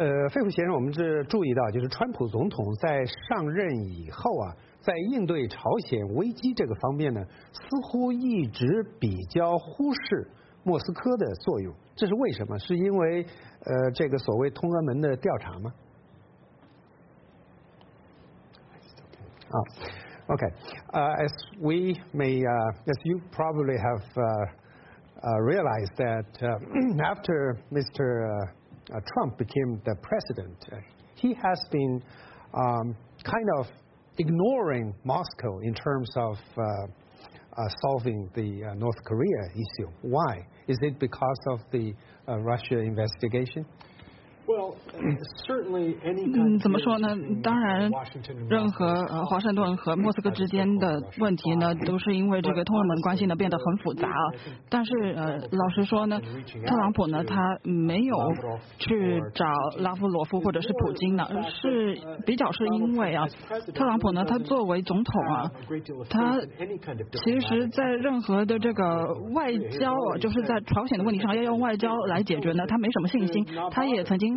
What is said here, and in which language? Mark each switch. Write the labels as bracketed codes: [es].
[zh] 费夫先生，我们是注意到，就是川普总统在上任以后啊，在应对朝鲜危机这个方面呢，似乎一直比较忽视莫斯科的作用，这是为什么？是因为这个所谓通俄门的调查吗？ [en] 啊、OK， as we may as you probably have realize that after Mr. Trump became the president, he has been kind of ignoring Moscow in terms of solving the North Korea issue. Why? Is it because of the Russia investigation? Well, certainly any kind of Washington [zh] 和莫斯科之间的问题呢，都是因为这个通俄门关系呢变得很复杂啊。但是老实说呢，特朗普呢他没有去找拉夫罗夫或者是普京呢，是比较是因为啊，特朗普呢他作为总统啊，他其实在任何的这个外交，就是在朝鲜的问题上要用外交来解决呢，他没什么信心。他也曾经